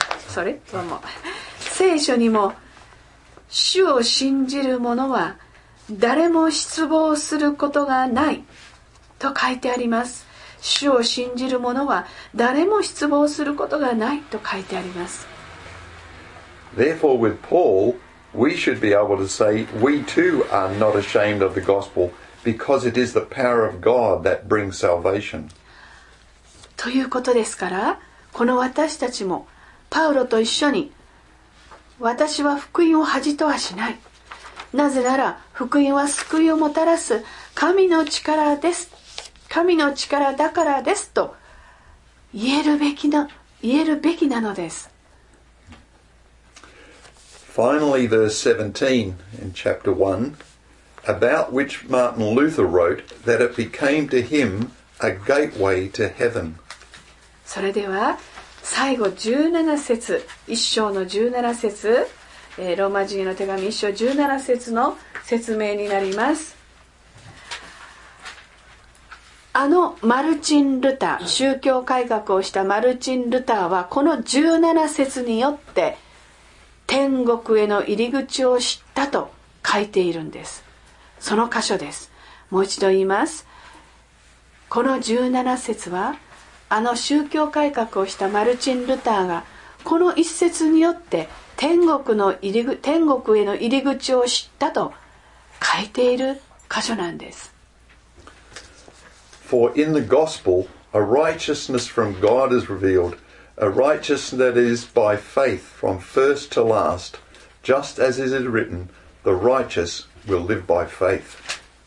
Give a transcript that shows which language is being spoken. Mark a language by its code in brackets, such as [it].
[en] sorry, [ja] 聖書にも、主を信じる者は誰も失望することがないと書いてあります。主を信じる者は誰も失望することがないと書いてあります。 [en] Therefore, with Paul, we should be able to say, we too are not ashamed of the gospel. Because it is the power of God that brings salvation. [ja] ということですから、この私たちもパウロと一緒に、私は福音を恥とはしない。なぜなら福音は救いをもたらす神の力です。神の力だからですと言えるべきなのです。 [en] Finally, verse 17 in chapter 1. About which Martin Luther wrote that it became to him a gateway to heaven. [ja] それでは最後17節、1章の17節、ローマ人への手紙1章17節の説明になります。あのマルチン・ルター、宗教改革をしたマルチン・ルターはこの17節によって天国への入り口を知ったと書いているんです。その箇所です。もう一度言います。この17節はあの宗教改革をしたマルチン・ルターがこの一節によって天国への入り口を知ったと書いている箇所なんです。 [en] For in the gospel a righteousness from God is revealed, a righteousness that is by faith from first to last, just as it is written, the righteousWill live by faith.